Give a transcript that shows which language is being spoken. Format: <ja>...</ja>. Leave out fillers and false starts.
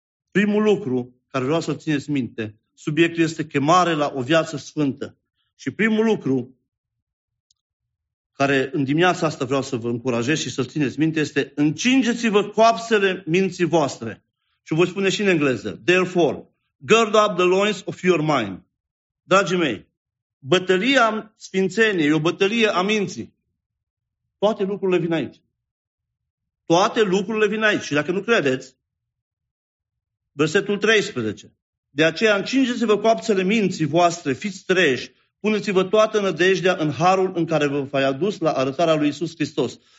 <ro>Primul lucru care vreau să-l țineți minte, subiectul este chemare la o viață sfântă. Și primul lucru care în dimineața asta vreau să vă încurajez și să-l țineți minte este: încingeți-vă coapsele minții voastre. Și voi spune și în engleză.</ro> <en>Therefore, gird up the loins of your mind.</en> <ro>Dragii mei, bătălia sfințeniei e o bătălie a minții. Toate lucrurile vin aici. Toate lucrurile vin aici. Și dacă nu credeți, versetul 13. De aceea, încingeți-vă coapțele minții voastre, fiți treji, puneți-vă toată nădejdea în harul în care vă v-ai adus la arătarea lui Iisus Hristos.</ro>